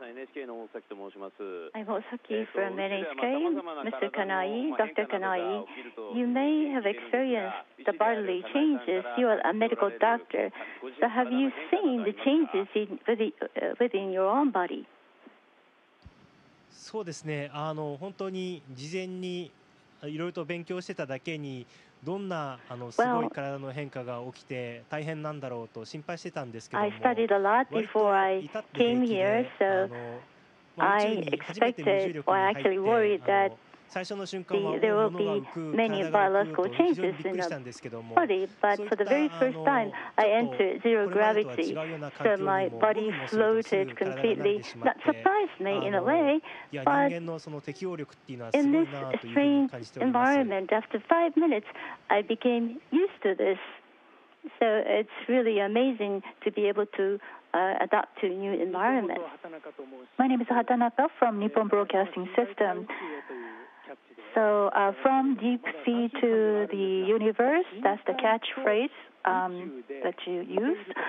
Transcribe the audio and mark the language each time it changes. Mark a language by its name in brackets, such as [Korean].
[English] I'm Osaki from NHK. Mr. Kanai, Dr. Kanai, you may have experienced the bodily changes. You are a medical doctor. So have you seen the changes within your own body? [Japanese] そうですね。本当に事前にいろいろと勉強してただけにどんなすごい体の変化が起きて大変なんだろうと心配してたんですけども割と至って平気で宇宙に初めて無重力に入って最初の瞬間は物が浮く体が浮くと非常にびっくりしたんですけども、そういったちょっとこれまでとは違うような環境にも浮いてしまって、人間のその適応力っていうのはすごいなというふうに感じております。 [English] After 5 minutes I became used to this. So it's really amazing to be able toto adapt to new environment. My name is Hatanaka from Nippon Broadcasting System. So from deep sea to the universe, that's the catchphrase that you used.